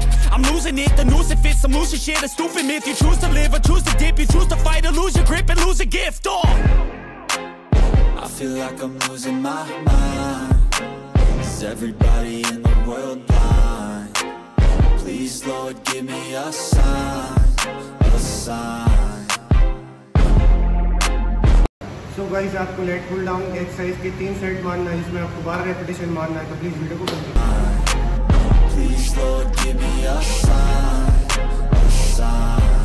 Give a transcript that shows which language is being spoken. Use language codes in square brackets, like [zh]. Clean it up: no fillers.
[en] I'm losing it, the noose it fits. Some loose shit, a stupid myth. You choose to live or choose to dip. You choose to fight or lose your grip and lose a gift. Oh. I feel like I'm losing my mind. Is everybody in the world blind? Please, Lord, give me a sign, a sign. So guys, [hi] आपको late pull down exercise के 3 set मारना है, जिसमें आपको 12 repetition मारना है, तो please video को कंप्लीट करें। [en] Please, Lord, give me a sign, a sign.